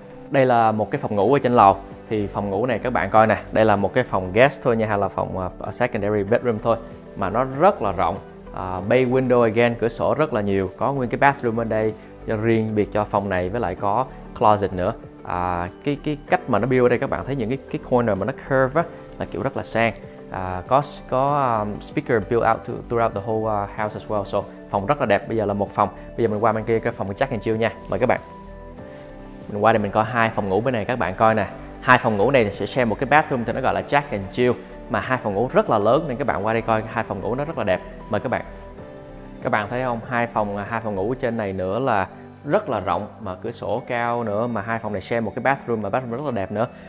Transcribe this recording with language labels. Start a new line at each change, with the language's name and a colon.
Vietnamese: Đây là một cái phòng ngủ ở trên lầu. Thì phòng ngủ này các bạn coi nè, đây là một cái phòng guest thôi nha, hay là phòng secondary bedroom thôi, mà nó rất là rộng.
English: Bay window again,
Vietnamese: cửa sổ rất là nhiều, có nguyên cái bathroom ở đây cho riêng biệt cho phòng này, với lại có closet nữa. Cái cách mà nó build ở đây, các bạn thấy những cái corner mà nó curve á, là kiểu rất là sang.
English: Có speaker built out throughout the whole house as well. So
Vietnamese: phòng rất là đẹp. Bây giờ là một phòng. Bây giờ mình qua bên kia cái phòng check and chill nha. Mời các bạn. Mình qua đây mình coi hai phòng ngủ bên này các bạn coi nè. Hai phòng ngủ này sẽ share một cái bathroom thì nó gọi là check and chill, mà hai phòng ngủ rất là lớn, nên các bạn qua đây coi hai phòng ngủ nó rất là đẹp. Mời các bạn. Các bạn thấy không? Hai phòng ngủ trên này nữa là rất là rộng, mà cửa sổ cao nữa, mà hai phòng này share một cái bathroom, mà bathroom rất là đẹp nữa.